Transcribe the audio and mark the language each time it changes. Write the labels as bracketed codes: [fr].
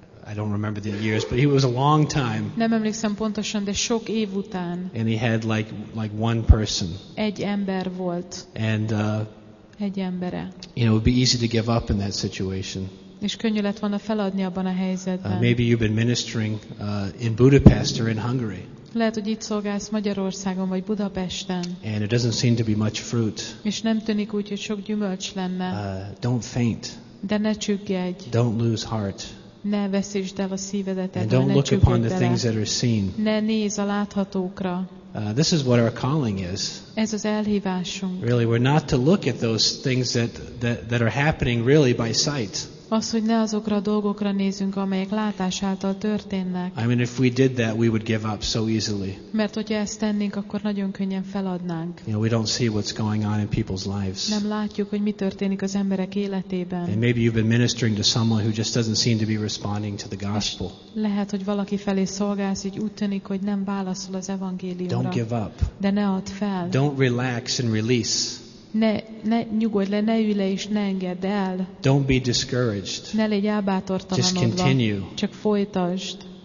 [en] I don't remember the years, but he was a long time. [hu] Nem emlékszem pontosan, de sok év után. [en] And he had like one person. [hu] Egy ember volt. [en] And [hu] egy embere. [en] You know, it would be easy to give up in that situation. [hu] És könnyű lett volna feladni abban a helyzetben. [en] Maybe you've been ministering in Budapest or in Hungary. [hu] Lehet, hogy itt szolgálsz Magyarországon vagy Budapesten. [en] And it doesn't seem to be much fruit. [hu] És nem tűnik úgy, hogy sok gyümölcs lenne. [en] Don't faint. [hu] De ne csüggedj. [en] Don't lose heart. [hu] Ne veszítsd el a szívedet, [en] and don't look upon the things that are seen. [hu] Ne nézz a láthatókra. [en] This is what our calling is. [hu] Ez az elhívásunk. [en] Really, we're not to look at those things that are happening really by sight. [hu] Az, hogy ne azokra a dolgokra nézünk, amelyek látás által történnek. [en] I mean, if we did that, we would give up so easily. [hu] Mert hogyha ezt tennénk, akkor nagyon könnyen feladnánk. [en] You know, we don't see what's going on in people's lives. [hu] Nem látjuk, hogy mi történik az emberek életében. [en] And maybe you've been ministering to someone who just doesn't seem to be responding to the gospel. [hu] Lehet, hogy valaki felé szolgálsz, így úgy tűnik, hogy nem válaszol az evangéliumra. [en] Don't give up. [hu] De ne add fel. [en] Don't relax and release. [hu] Ne nyugodj le, ne ülj le és ne engedd el. [en] Don't be discouraged. [hu] Ne légy elbátortalanodva. [en] Just continue. [hu] Csak folytasd.